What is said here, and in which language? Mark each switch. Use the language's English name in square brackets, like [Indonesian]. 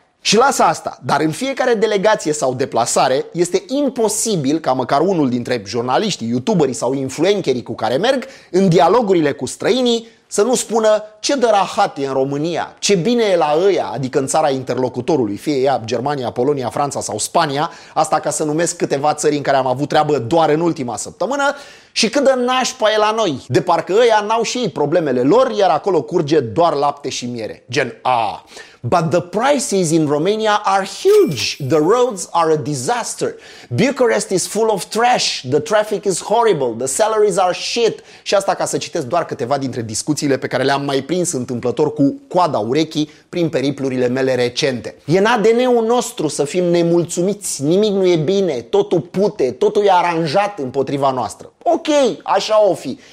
[Romanian] Și lasă asta, dar în fiecare delegație sau deplasare este imposibil ca măcar unul dintre jurnaliștii, youtuberii sau influencerii cu care merg în dialogurile cu străinii să nu spună ce de rahat e în România, ce bine e la ăia, adică în țara interlocutorului, fie ea Germania, Polonia, Franța sau Spania, asta ca să numesc câteva țări în care am avut treabă doar în ultima săptămână, și cât de nașpa e la noi, de parcă ăia n-au și ei problemele lor, iar acolo curge doar lapte și miere. Gen A. [English] But the prices in Romania are huge. The roads are a disaster. Bucharest is full of trash. The traffic is horrible. The salaries are shit. [Romanian] Și asta ca să citesc doar câteva dintre discuțiile pe care le-am mai prins întâmplător cu coada urechii prin periplurile mele recente. E în ADN-ul nostru să fim nemulțumiți. Nimic nu e bine. Totul pute. Totul e aranjat împotriva noastră. Ok, așa o fi.